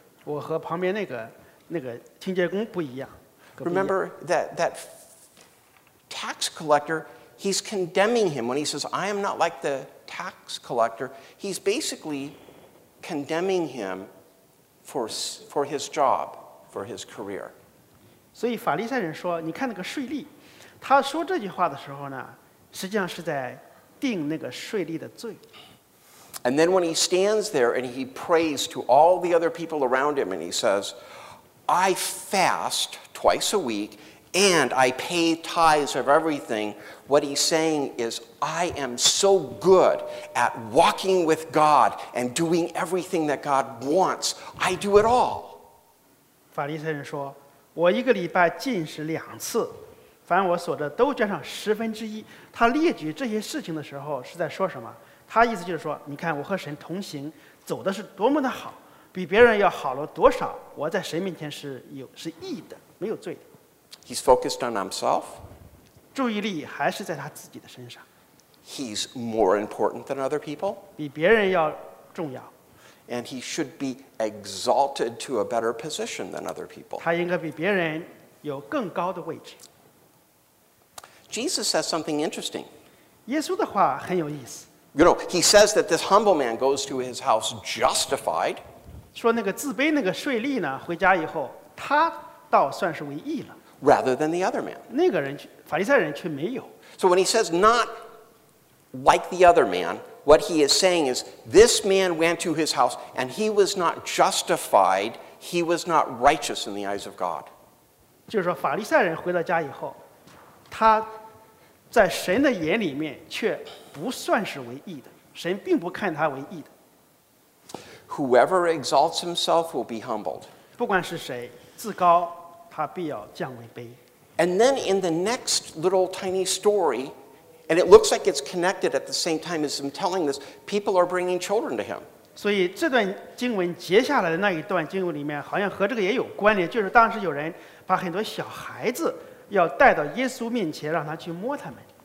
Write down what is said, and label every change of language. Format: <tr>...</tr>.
<zh>我和旁边那个清洁工不一样。</zh> <en>Remember that tax collector? He's condemning him when he says, "I am not like the tax collector." He's basically condemning him for his job, for his career.</en> <zh>所以法利赛人说：“你看那个税吏，他说这句话的时候呢，实际上是在。” 定那个税吏的罪。</zh> <en>And then when he stands there and he prays to all the other people around him and he says, I fast twice a week and I pay tithes of everything, what he's saying is, I am so good at walking with God and doing everything that God wants. I do it all.</en> <zh>法利赛人说，我一个礼拜禁食两次。凡我所得都捐上十分之一。他列举这些事情的时候是在说什么？他意思就是说，你看我和神同行，走的是多么的好，比别人要好了多少。我在神面前是义的，没有罪的。</zh> <en>He's focused on himself.</en> <zh>注意力还是在他自己的身上。</zh> <en>He's more important than other people.</en> <zh>比别人要重要。</zh> <en>And he should be exalted to a better position than other people.</en> <zh>他应该比别人有更高的位置。</zh> <en>Jesus says something interesting.</en> <zh>耶稣的话很有意思。</zh> <en>You know, he says that this humble man goes to his house justified.</en> <zh>说那个自卑那个税吏呢，回家以后他倒算是为义了。</zh> <en>Rather than the other man.</en> <zh>那个人，法利赛人却没有。</zh> <en>So when he says not like the other man, what he is saying is this man went to his house and he was not justified, he was not righteous in the eyes of God.</en> <zh>就是说法利赛人回到家以后。他在神的眼里面却不算是为义的，神并不看他为义的。</zh> <en>Whoever exalts himself will be humbled.</en> <zh>不管是谁自高，他必要降为卑。</zh> <en>And then in the next little tiny story, and it looks like it's connected at the same time as him telling this, people are bringing children to him.</en> <zh>所以这段经文接下来的那一段经文里面，好像和这个也有关联，就是当时有人把很多小孩子。要带到耶稣面前，让他去摸他们。</zh>